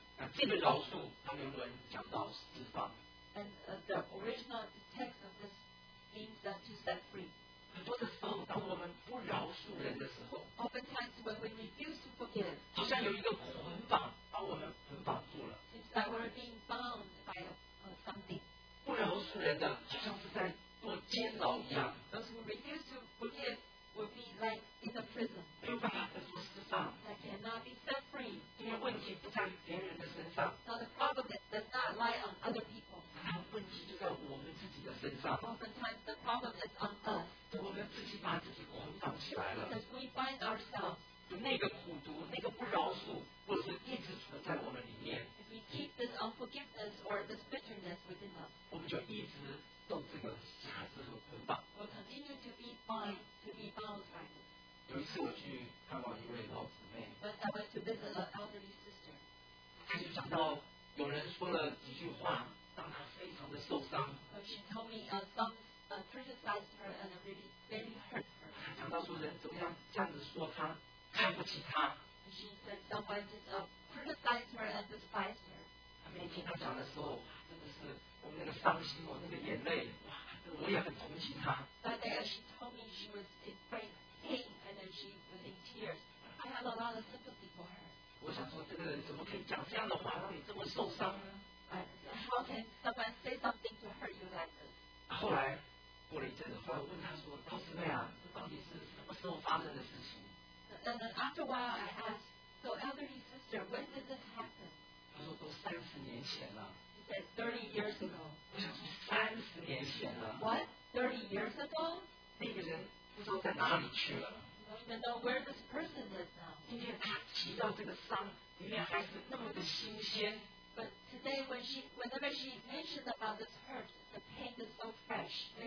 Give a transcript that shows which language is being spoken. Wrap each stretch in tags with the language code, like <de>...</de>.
<zh>那这个饶恕它原文讲到释放</zh> <en>And, the original text of this means that to set free</en> <zh>很多的时候当我们不饶恕人的时候</zh> <en>oftentimes when we refuse to forgive</en> <zh>好像有一个捆绑把我们捆绑住了</zh> <en>seems that we're being bound by something</en> <zh>不饶恕人的好像是在做监牢一样</zh> <en>Those who refuse to forgive will be like in a prison</en> <zh>没有办法得到释放</zh> <en>That cannot be set free</en> <zh>因为问题不在于别人的身上</zh> <en>Now the problem does not lie on other people</en> <zh>但问题就在我们自己的身上</zh> <en>Oftentimes the problem is on us</en> <zh>我们自己把自己捆绑起来了</zh> <en>Because we find ourselves</en> <zh>就那个苦毒那个不饶恕或是一直存在我们里面</zh> <en>If we keep this unforgiveness or this bitterness within us</en> <zh>我们就一直受这个辖制和捆绑。</zh> <en>We'll continue to be bound, to be bound by it.</en> <zh>有一次我去看望一位老姊妹。</zh> <en>But I went to visit an elderly sister.</en> <zh>她就讲到有人说了几句话，让她非常的受伤。</zh> <en>She told me some criticized her and really very hurt her.</en> <zh>她讲到说人怎么样这样子说她，看不起她。</zh> <en>She said someone just criticized her and despised her.</en> <zh>她每天她讲的时候，真的是。我那个伤心，我那个眼泪，哇！我也很同情她。</zh> <en>That day, she told me she was in great pain, and then she was in tears. I had a lot of sympathy for her.</en> <zh>我想说，这个人怎么可以讲这样的话，让你这么受伤呢</zh> <en>How can someone say something to hurt you like this?</en> <zh>后来过了一阵子，后来我问她说：“老姊妹啊，这到底是什么时候发生的事情？”</zh> <en>And then after a while, I asked, "So elderly sister, when did this happen?"</en> <zh>她说：“都三十年前了。”</zh> <en>Said 30 years ago.</en> <zh>三十年前了。</zh> <en>What? 30 years ago?</en> <zh>那个人不知道在哪里去了。</zh> <en>You don't even know where this person is now.</en> <zh>今天他提到这个伤，里面还是那么的新鲜。</zh> <en>But today, whenever she mentioned about this hurt, the pain is so fresh.</en>